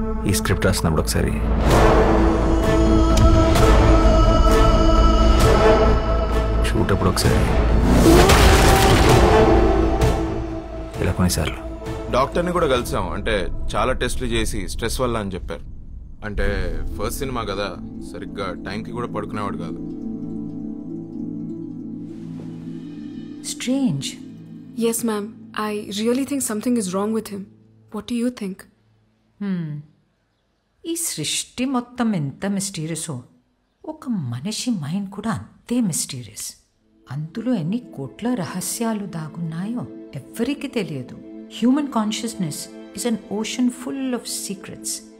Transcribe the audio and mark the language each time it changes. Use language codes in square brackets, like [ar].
[te] ఈ స్క్రిప్ట్ రాసినప్పుడు ఒకసారి షూట్ అప్పుడు ఒకసారి ఇలా కొన్నిసార్లు. డాక్టర్ని కూడా కలిసాం, అంటే చాలా టెస్టులు చేసి స్ట్రెస్ వల్ల అని చెప్పారు. అంటే ఫస్ట్ సినిమా కదా, సరిగ్గా టైంకి కూడా పడుకునేవాడు కాదు. [en] Strange. Yes ma'am, I really think something is wrong with him. What do you think? [te] ఈ సృష్టి మొత్తం ఎంత మిస్టీరియసో, ఒక మనిషి మైండ్ కూడా అంతే మిస్టీరియస్. అందులో ఎన్ని కోట్ల రహస్యాలు దాగున్నాయో ఎవరికి తెలియదు. [en] Human consciousness is an ocean full of secrets.